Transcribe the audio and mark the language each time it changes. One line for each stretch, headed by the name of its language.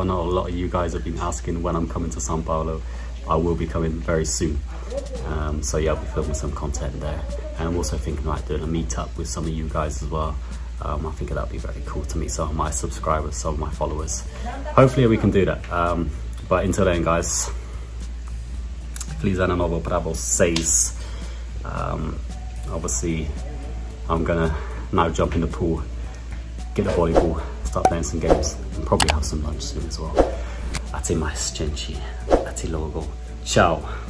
English: I know a lot of you guys have been asking when I'm coming to São Paulo. I will be coming very soon. So yeah, I'll be filming some content there. And I'm also thinking about doing a meetup with some of you guys as well. I think that'd be very cool to meet some of my subscribers, some of my followers. Hopefully we can do that. But until then, guys,
Portuguese: Feliz Ano Novo para vocês.
English: Obviously, I'm gonna now jump in the pool, get the volleyball, start playing some games, and probably have some lunch soon as well.
Portuguese: Até mais, gente. Até logo. Tchau.